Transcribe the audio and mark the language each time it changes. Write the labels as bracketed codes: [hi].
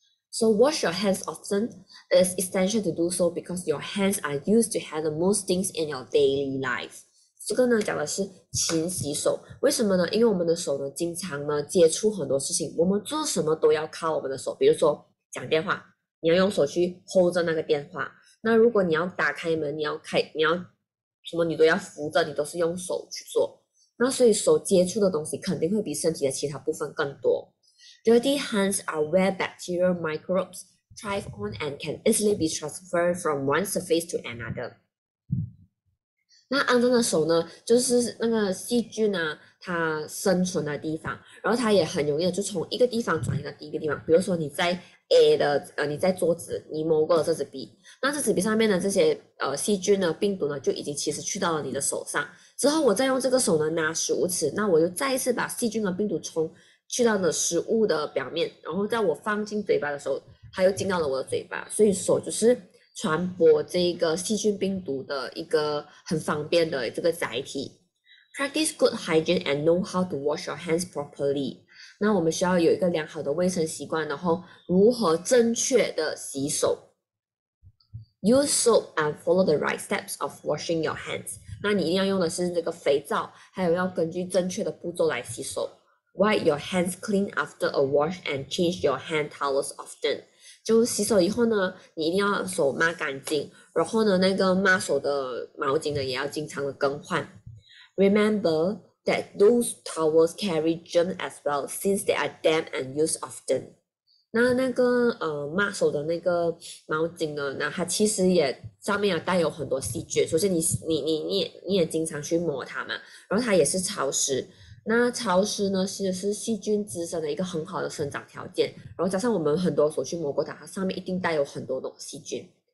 [en] So wash your hands often is essential to do so because your hands are used to handle most things in your daily life。 [zh] 这个呢，讲的是勤洗手。为什么呢？因为我们的手呢，经常呢接触很多事情，我们做什么都要靠我们的手。比如说讲电话，你要用手去 hold 着那个电话。那如果你要打开门，你要什么，你都要扶着，你都是用手去做。那所以手接触的东西肯定会比身体的其他部分更多。 [en] Dirty hands are where bacterial microbes thrive on and can easily be transferred from one surface to another。 [zh] 那肮脏的手呢，就是那个细菌呢，它生存的地方，然后它也很容易就从一个地方转移到第一个地方。比如说你在 A 的你在桌子，你摸过了这支笔，那这支笔上面的这些细菌呢、病毒呢，就已经其实去到了你的手上。之后我再用这个手呢拿食物吃，那我就再一次把细菌和病毒冲去到了食物的表面，然后在我放进嘴巴的时候，它又进到了我的嘴巴。所以手就是传播这个细菌病毒的一个很方便的这个载体。 [en] Practice good hygiene and know how to wash your hands properly。 [zh] 那我们需要有一个良好的卫生习惯，然后如何正确的洗手？ [en] Use soap and follow the right steps of washing your hands。 [zh] 那你一定要用的是这个肥皂，还有要根据正确的步骤来洗手。 [en] Wipe your hands clean after a wash and change your hand towels often。 [zh] 就洗手以后呢，你一定要手抹干净，然后呢，那个抹手的毛巾呢也要经常的更换。 [en] Remember that those towels carry germs as well, since they are damp and used often。 [zh] 那个抹手的那个毛巾呢，那它其实也上面也带有很多细菌，所以你也经常去抹它嘛，然后它也是潮湿。那潮湿呢，其实是细菌滋生的一个很好的生长条件。然后加上我们很多手去摸过它，它上面一定带有很多种细菌。